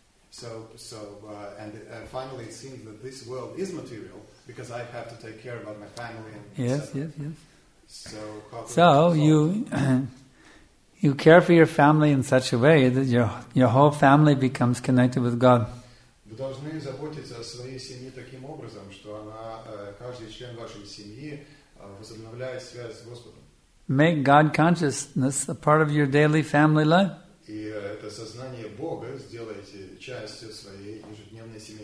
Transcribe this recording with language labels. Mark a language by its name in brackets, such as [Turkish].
[English] So, finally, it seems that this world is material, because I have to take care about my family. And yes. So, you care for your family in such a way that your whole family becomes connected with God. [Russian] Вы должны заботиться о своей семье таким образом, что она каждый член вашей семьи возобновляет связь с Господом. [English] Make God consciousness a part of your daily family life. [Russian] И это сознание Бога сделайте частью своей ежедневной семьи.